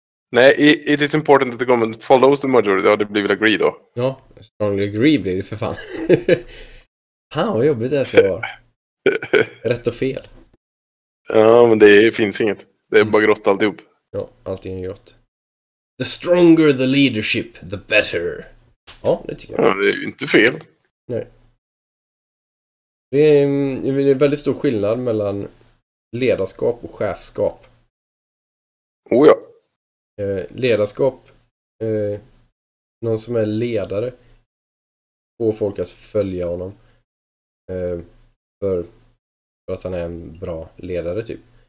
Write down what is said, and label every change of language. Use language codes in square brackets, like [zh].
[en] Nej, it is important that the government follows the majority. [sv] Ja, det blir väl agree då. Ja, strongly agree blir det för fan. Fan, vad jobbigt det här ska vara. Rätt och fel. Ja, men det finns inget. Det är bara grått alltihop. Ja, allting är grått. [en] The stronger the leadership, the better. [sv] Ja, det tycker jag. Ja, det är ju inte fel. Nej. Det är en väldigt stor skillnad mellan ledarskap och chefskap. Oh ja. Ledarskap, någon som är ledare, får folk att följa honom för att han är en bra ledare typ.